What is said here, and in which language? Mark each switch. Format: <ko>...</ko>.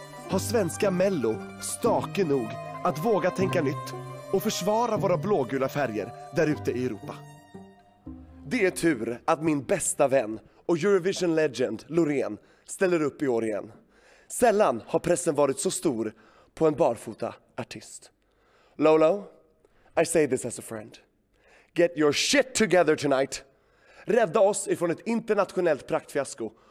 <sv>Har svenska Mello stake nog att våga tänka nytt och försvara våra blågula färger där ute i Europa? Det är tur att min bästa vän och Eurovision legend Loreen ställer upp i år igen. Sällan har pressen varit så stor på en barfota artist.</sv> <en>Lolo, I say this as a friend. Get your shit together tonight.</en> <sv>Rädda oss ifrån ett internationellt praktfiasko.</sv>